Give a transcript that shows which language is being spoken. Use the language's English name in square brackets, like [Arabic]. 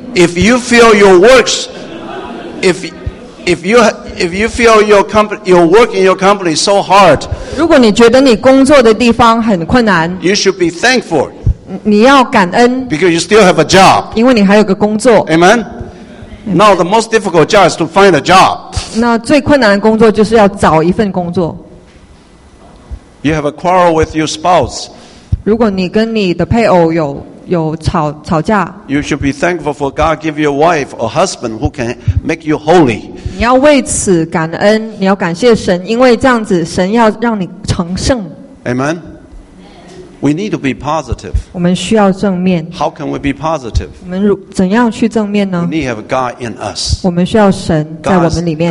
[English] If you feel your works, if you feel your company, your work in your company so hard. [Chinese] 如果你觉得你工作的地方很困难。 [English] You should be thankful. [Chinese] 你要感恩 [English] because you still have a job. [Chinese] 因为你还有个工作 [English] Amen. Now the most difficult job is to find a job. [Chinese] 那最困难的工作就是要找一份工作 [English] You have a quarrel with your spouse. [Chinese] 如果你跟你的配偶有吵架 [English] You should be thankful for God give you a wife or husband who can make you holy. [Chinese] 你要为此感恩，你要感谢神，因为这样子神要让你成圣 [English] Amen. We need to be positive. [Chinese] 我们需要正面。 [English] How can we be positive? [Chinese] 我们怎样去正面呢 [English] ？We need to have God in us. [Chinese] 我们需要神在我们里面。